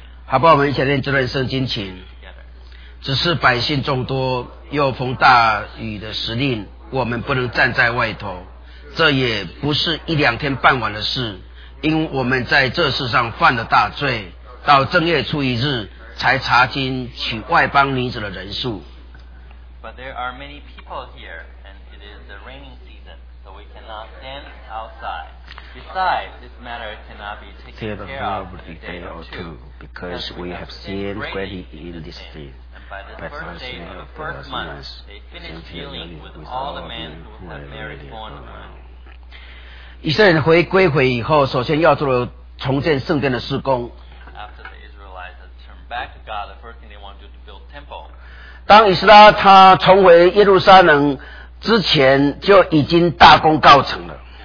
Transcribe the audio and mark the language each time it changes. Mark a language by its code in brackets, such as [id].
[zh] 好不好？我们一起念这段圣经，请。只是百姓众多，又逢大雨的时令，我们不能站在外头。这也不是一两天半晚的事，因我们在这世上犯了大罪，到正月初一日才查经取外邦女子的人数。 [en] But there are many people here, and it is the raining season, so we cannot stand outside. Besides, this matter cannot be taken care of in a day or two, because we have seen greatly in this thing. And by the first day of the first month, they finished dealing with all the men who have married foreign women. [zh] 以色列人归回以后，首先要做的重建圣殿的施工。 [en] After the Israelites turned back to God, the first thing they want to do is build temple. [zh] 当以斯拉他重回耶路撒冷之前，就已经大功告成了。